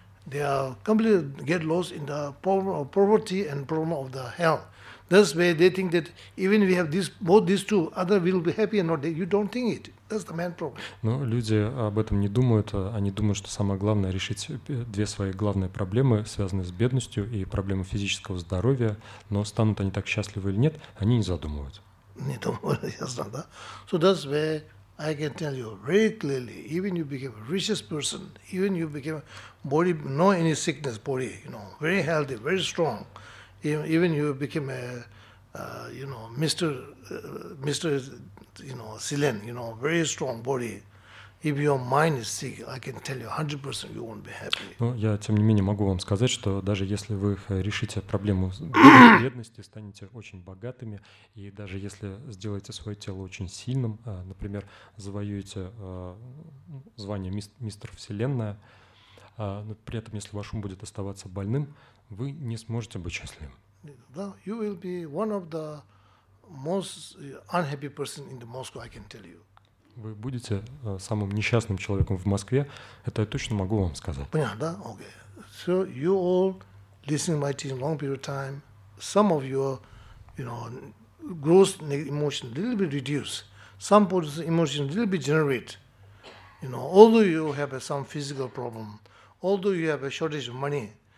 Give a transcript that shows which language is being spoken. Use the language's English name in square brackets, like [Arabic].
[English] They are completely get lost in the problem of poverty and problem of the hell. That's where they think that even we have this, both these two, other will be happy and not. You don't think it. That's the main problem. [Russian] Но люди об этом не думают. Они думают, что самое главное решить две свои главные проблемы, связанные с бедностью и проблемы физического здоровья. Но станут они так счастливы или нет, они не задумывают. Не думают, ясно, да? [English] So that's where I can tell you very clearly, even you became a richest person, even you became body, no any sickness, body, you know, very healthy, very strong, even you became a, Silen, you know, very strong body. If your mind is sick, I can tell you 100% you won't be happy. [Russian] Но я тем не менее могу вам сказать, что даже если вы решите проблему бедности, станете очень богатыми, и даже если сделаете свое тело очень сильным, например, завоюете звание мистер Вселенная, но при этом если ваш ум будет оставаться больным, вы не сможете быть счастливым. [English] Well, you will be one of the most unhappy person in the Moscow, I can tell you. [Russian] Вы будете самым несчастным человеком в Москве, это я точно могу вам сказать. Понятно, да? Okay. [English] So you all listening my teaching long period of time, some of your, you know, gross emotion little bit reduce, some positive emotion little bit generate. You know, although you have some physical problem, although you have a shortage of money.